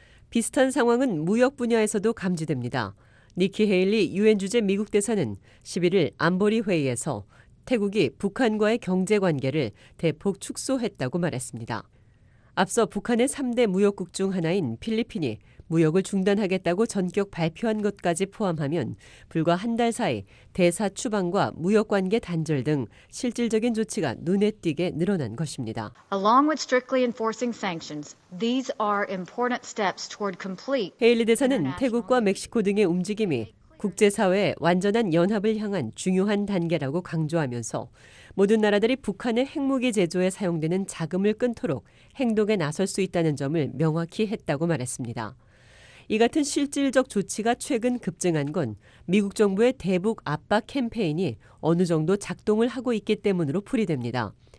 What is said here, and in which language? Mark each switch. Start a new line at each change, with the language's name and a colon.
Korean: 비슷한 상황은 무역 분야에서도 감지됩니다. 니키 헤일리 유엔 주재 미국 대사는 11일 안보리 회의에서 태국이 북한과의 경제 관계를 대폭 축소했다고 말했습니다. 앞서 북한의 3대 무역국 중 하나인 필리핀이 무역을 중단하겠다고 전격 발표한 것까지 포함하면 불과 한 달 사이 대사 추방과 무역관계 단절 등 실질적인 조치가 눈에 띄게 늘어난 것입니다.
English: Along with strictly enforcing sanctions, these are important steps toward complete.
Korean: 헤일리 대사는 태국과 멕시코 등의 움직임이 국제사회의 완전한 연합을 향한 중요한 단계라고 강조하면서 모든 나라들이 북한의 핵무기 제조에 사용되는 자금을 끊도록 행동에 나설 수 있다는 점을 명확히 했다고 말했습니다. 이 같은 실질적 조치가 최근 급증한 건 미국 정부의 대북 압박 캠페인이 어느 정도 작동을 하고 있기 때문으로 풀이됩니다.